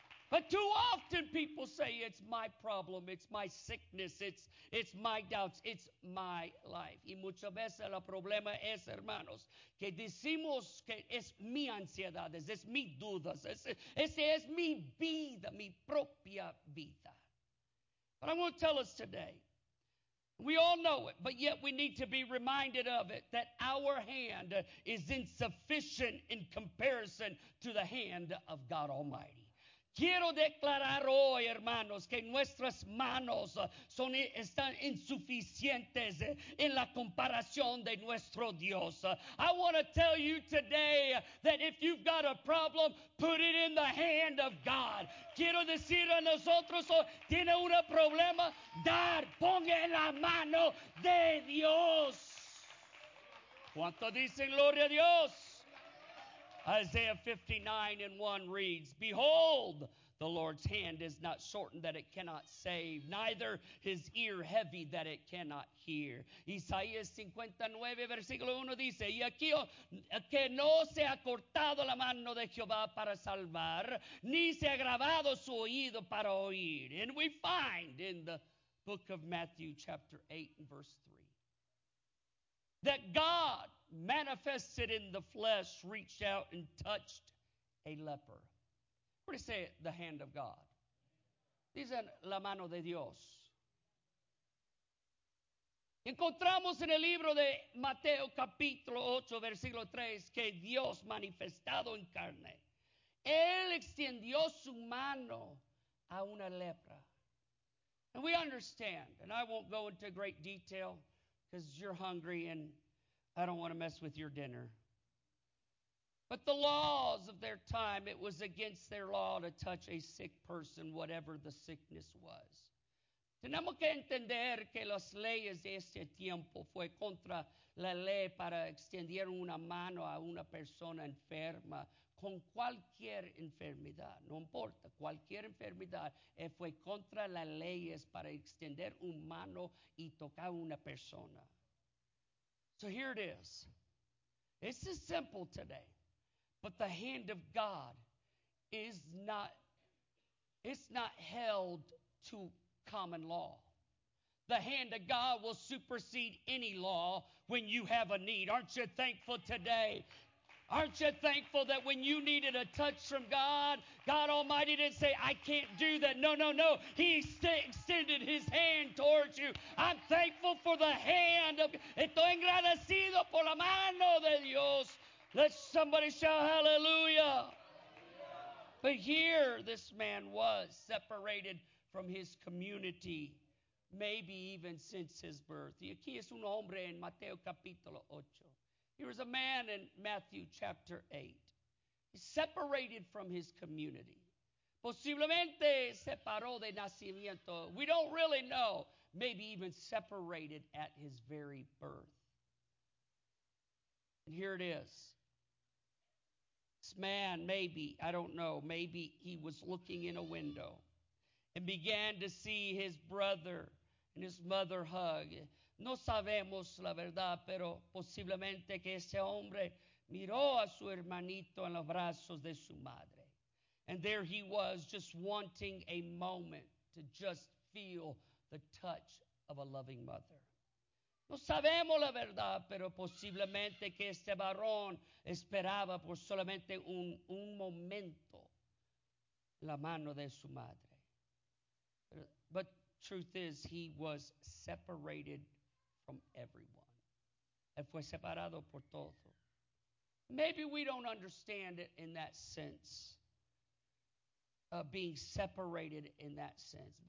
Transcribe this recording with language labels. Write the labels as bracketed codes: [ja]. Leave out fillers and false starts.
[en] But too often people say it's my problem, it's my sickness, it's my doubts, it's my life. [es] Y muchas veces el problema es, hermanos, que decimos que es mi ansiedades, es mi dudas, es mi vida, mi propia vida. [en] But I'm going to tell us today, we all know it, but yet we need to be reminded of it, that our hand is insufficient in comparison to the hand of God Almighty. [es] Quiero declarar hoy, hermanos, que nuestras manos están insuficientes en la comparación de nuestro Dios. [en] I want to tell you today that if you've got a problem, put it in the hand of God. [es] Quiero decir a nosotros, tiene un problema, dar, ponga en la mano de Dios. ¿Cuánto dicen gloria a Dios? [en] Isaiah 59:1 reads, behold, the Lord's hand is not shortened that it cannot save, neither his ear heavy that it cannot hear. [es] Isaías 59, versículo 1 dice, y aquí que no se ha cortado la mano de Jehová para salvar, ni se ha agravado su oído para oír. [en] And we find in the book of Matthew chapter 8 and verse 3, that God manifested in the flesh, reached out and touched a leper. What do you say? The hand of God. [es] Dicen la mano de Dios. Encontramos en el libro de Mateo capítulo 8, versículo 3, que Dios manifestado en carne, él extendió su mano a una lepra. [en] And we understand, and I won't go into great detail because you're hungry and I don't want to mess with your dinner. But the laws of their time, it was against their law to touch a sick person, whatever the sickness was. [es] Tenemos que entender que las leyes de este tiempo fue contra la ley para extender una mano a una persona enferma con cualquier enfermedad. No importa, cualquier enfermedad fue contra las leyes para extender una mano y tocar una persona. [en] So here it is. This is simple today. But the hand of God is not, it's not held to common law. The hand of God will supersede any law when you have a need. Aren't you thankful today? Aren't you thankful that when you needed a touch from God, God Almighty didn't say, I can't do that. No, no, no. He extended his hand towards you. I'm thankful for the hand of God. [es] Estoy agradecido por la mano de Dios. [en] Let somebody shout hallelujah. Hallelujah. But here this man was separated from his community, maybe even since his birth. [es] Y aquí es un hombre en Mateo capítulo 8. [en] He was a man in Matthew chapter 8. He separated from his community. [es] Posiblemente separó de nacimiento. [en] We don't really know. Maybe even separated at his very birth. And here it is. This man, maybe, I don't know, maybe he was looking in a window and began to see his brother and his mother hug. [es] No sabemos la verdad, pero posiblemente que ese hombre miró a su hermanito en los brazos de su madre. [en] And there he was, just wanting a moment to just feel the touch of a loving mother. [es] No sabemos la verdad, pero posiblemente que este varón esperaba por solamente un momento la mano de su madre. [en] But truth is, he was separated from everyone. [es] Él fue separado por todo. [en] Maybe we don't understand it in that sense, being separated in that sense.